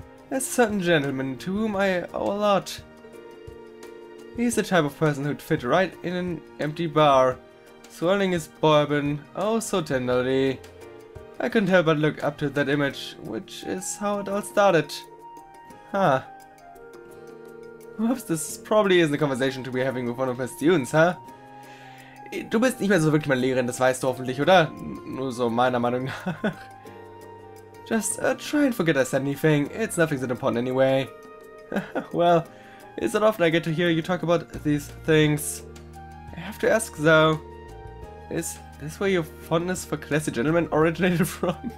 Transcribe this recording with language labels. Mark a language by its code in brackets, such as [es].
[en] A certain gentleman to whom I owe a lot. He's the type of person who'd fit right in an empty bar, swirling his bourbon oh so tenderly. I couldn't help but look up to that image, which is how it all started. Huh. Whoops, this probably isn't a conversation to be having with one of my students, huh? [de] Du bist nicht mehr so wirklich meine Lehrerin, das weißt du hoffentlich, oder? Nur so meiner Meinung nach. [en] Just try and forget I said anything, it's nothing that important anyway. Well, it's not often I get to hear you talk about these things. I have to ask though, is this where your fondness for classy gentlemen originated from?